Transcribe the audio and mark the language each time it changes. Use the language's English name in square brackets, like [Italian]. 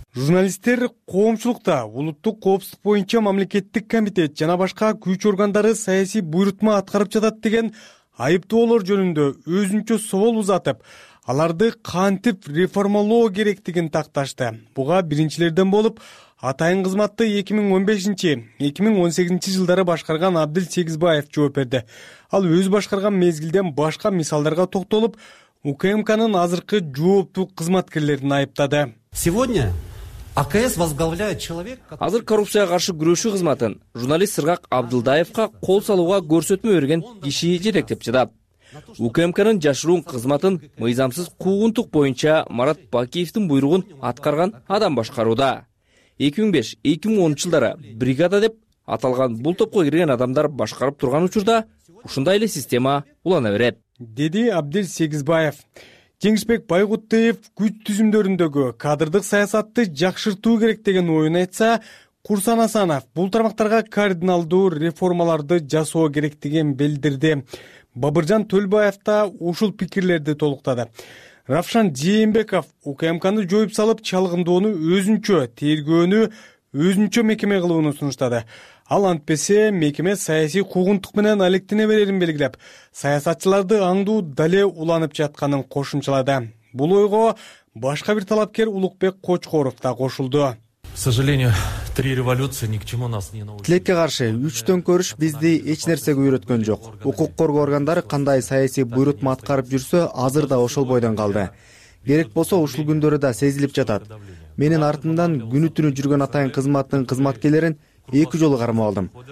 [Kyrgyz] Журналисттер коомчулукта улуттук коопсуздук боюнча мамлекеттик комитет жана башка күч органдары саясий буйрутма аткарып жатат деген айыптоолор жөнүндө өзүнчө соол узатып, аларды кантип реформалоо керектигин такташты. Буга биринчилерден болуп атайын кызматты 2015-2018 жылдары башкарган Абдил Сегизбаев жооп берди. Ал өз башкарган мезгилден башка мисалдарга токтолуп, УКМКнын азыркы жооптуу кызматкерлерин айыптады. [Russian] Сегодня АКС возглавляет человек, который [Kyrgyz] азыр коррупцияга каршы күрөшүү кызматын журналист Сыргак Абдылдаевка кол салууга көрсөтмө берген киши жетектеп жатат. УКМКнын жашыруун кызматын мыйзамсыз куугунтук боюнча Марат Бакиевдин буйругун аткарган адам башкарууда. 2005-2010 жылдары бригада деп аталган бул топко кирген адамдар башкарып турган учурда ушундай эле система улана берет, деди Абдел Сегизбаев. Жеңишбек Байгуттыев күч түзүмдөрүндөгү кадрдык саясатты жакшыртуу керек деген оюн айтса, Курсан Асанов бул тармактарга кардиналдуу реформаларды жасоо керектигин билдирди. Бабыржан Төлбаев да ушул пикирлерди толуктады. Равшан Жээнбеков УКМКны жоюп салып, чалгындоону өзүнчө тергөөнү өзүнчө мекеме кылууну сунуштады. Ал антпесе мекеме саясий куугунтук менен алектене берерин белгилеп, саясатчыларды аңдуу дале уланып жатканын кошумчалады. Бул ойго башка бир талапкер Улукбек Кочкоров да кошулду. [Russian] К сожалению, три революции ни к чему нас не научили. [Kyrgyz] Тилекке каршы, үч төңкөрүш бизди эч нерсеге үйрөткөн жок. Укук коргоо органдары кандай саясий буйрутма аткарып жүрсө, азыр да ошол бойдон калды. Керек болсо ушул күндөрү да сезилип жатат. Менин артымдан күнү-түнү жүргөн атайын кызматтын кызматкерлерин эки жолу кармап алдым.